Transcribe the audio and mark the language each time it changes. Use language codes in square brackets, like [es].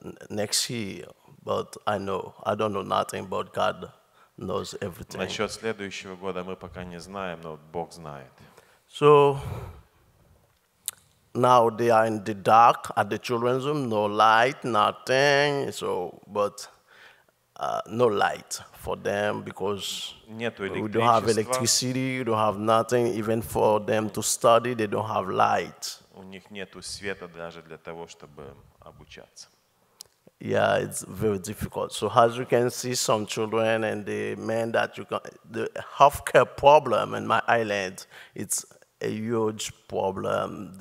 [en] Next year, but I don't know nothing about God. Knows everything. [ru] Насчет следующего года мы пока не знаем, но Бог знает. [en] So now they are in the dark at the children's room, no light, nothing. So, but no light for them because we don't have electricity, we don't have nothing even for them to study. They don't have light. [ru] У них нету света даже для того, чтобы обучаться. [en] Yeah, it's very difficult. So as you can see, some children and the men that you can, the healthcare problem in my island, it's a huge problem.